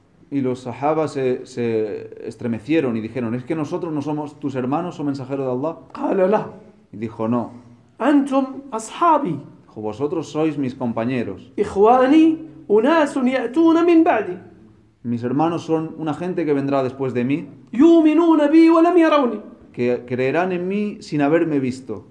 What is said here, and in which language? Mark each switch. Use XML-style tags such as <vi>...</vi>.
<es>Y los sahabas se estremecieron y dijeron, ¿es que nosotros no somos tus hermanos o mensajeros de Allah? Y dijo, no.</es> <ar>أنتم أصحابي.</ar> <es>Dijo, vosotros sois mis compañeros.</es> <ar>إخواني أناس يأتون من بعدي.</ar> <es>Mis hermanos son una gente que vendrá después de mí.</es> <ar>يؤمنون بي ولم يروني.</ar> <es>Que creerán en mí sin haberme visto.</es>